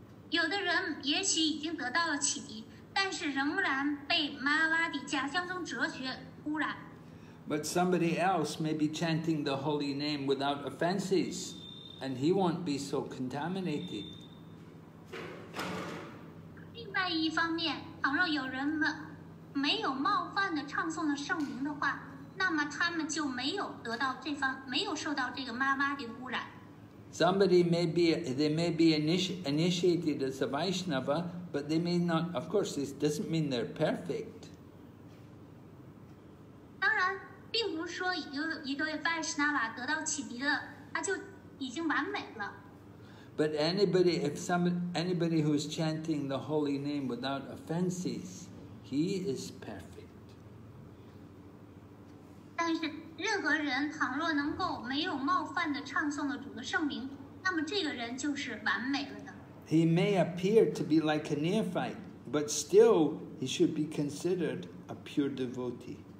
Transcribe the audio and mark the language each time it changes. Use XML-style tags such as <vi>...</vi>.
<zh>有的人也许已经得到了启迪，但是仍然被Mayavadi假象中哲学污染。</zh> <en>But somebody else may be chanting the holy name without offenses, and he won't be so contaminated.</en> <zh>另外一方面，倘若有人们 没有冒犯的唱诵了圣名的话，那么他们就没有受到这个妈妈的污染。</zh> <en>Somebody may be they may be initiated as a Vaishnava, but they may not. Of course, this doesn't mean they're perfect.</en> <zh>当然，并不是说一个 Vaishnava 得到启迪了，他就已经完美了。</zh> <en>But anybody who is chanting the holy name without offenses, he is perfect.</en> <zh>但是任何人倘若能够没有冒犯地唱诵了主的圣名，那么这个人就是完美了的。</zh> <en>He may appear to be like a neophyte, but still he should be considered a pure devotee.</en>